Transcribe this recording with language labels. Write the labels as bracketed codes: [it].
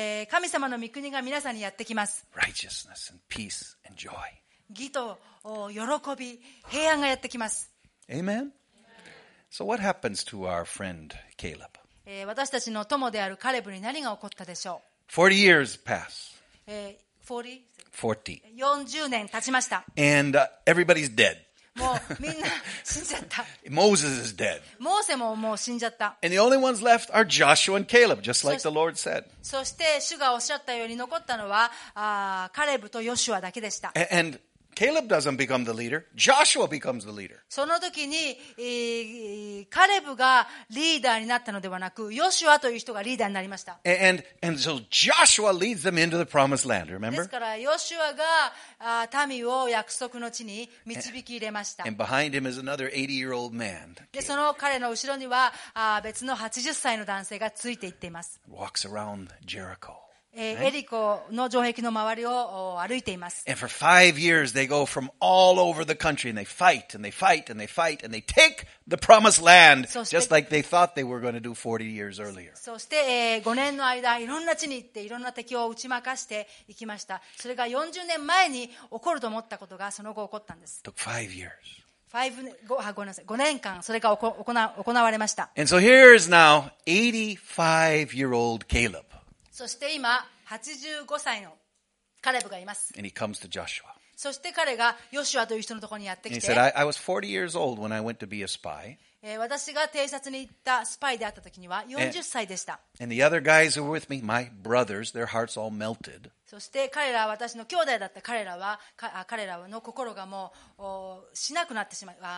[ja] 神様の御国が皆さんにやってきます。 [en] Righteousness and peace and joy. [ja] 義と喜び、平安がやってきます。 [en] Amen. So what happens to our friend Caleb? [ja] 私たちの友であるカレブに何が起こったでしょう。 [en] 40 years pass. [ja] 40年経ちました。 [en] And everybody's dead. [ja] もうみんな死んじゃった。 [en] Moses is dead. [ja] モーセももう死んじゃった。 [en] And the only ones left are Joshua and Caleb, just like the Lord said. [ja] そして主がおっしゃったように残ったのはカレブとヨシュアだけでした。 [en] And Caleb doesn't become the leader. Joshua becomes the leader. [ja] その時に、カレブがリーダーになったのではなく、ヨシュアという人がリーダーになりました。 [en] And so Joshua leads them into the promised land, remember? [ja] ですから、ヨシュアが民を約束の地に導き入れました。 [en] And behind him is another 80-year-old man. [ja] で、その彼の後ろには、別の80歳の男性がついていっています。 [en] Walks around Jericho. [ja] エリコの城壁の周りを歩いています。 [en] And for 5 years they go from all over the country and they fight and they fight and they fight and they take the promised land just like they thought they were going to do 40 years earlier. [ja] そして、5年の間いろんな地に行っていろんな敵を打ち負かしていきました。それが40年前に起こると思ったことがその後起こったんです。 [en] Took 5 years. [ja] 5年間それが行われました。 [en] And so here is now 85-year-old Caleb. [ja] そして今85歳のカレブがいます。 [en] And he comes to Joshua. [ja] そして彼がヨシュアという人のところにやってきて、 [en] And he said, I was 40 years old when I went to be a spy. [ja] 私が偵察に行ったスパイであった時には40歳でした。 [en] And the other guys who were with me, my brothers, their hearts all melted. [ja] そして彼らは私の兄弟だった彼らは、彼らの心がもうしなくなってしまう。